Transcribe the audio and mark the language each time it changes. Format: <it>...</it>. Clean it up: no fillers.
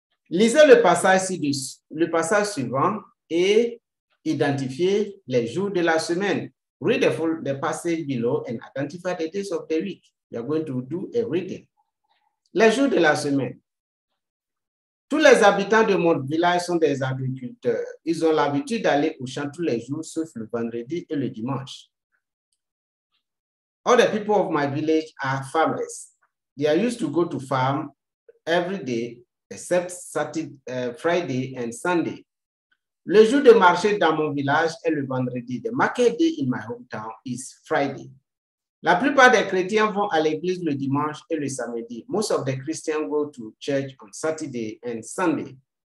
<fr>Lisez le passage suivant et identifiez les jours de la semaine.</fr> <en>Read the passage below and identify the days of the week. We are going to do a reading.</en> <fr>Les jours de la semaine. Tous les habitants de mon village sont des agriculteurs. Ils ont l'habitude d'aller au champ tous les jours, sauf le vendredi et le dimanche.</fr> <en>All the people of my village are farmers. They are used to go to farm every day, except Friday and Sunday.</en> <fr>Le jour de marché dans mon village est le vendredi.</fr> <en>The market day in my hometown is Friday.</en> <fr>La plupart des chrétiens vont à l'église le dimanche et le samedi.</fr> <en>Most of the Christians go to church on Saturday and Sunday.</en>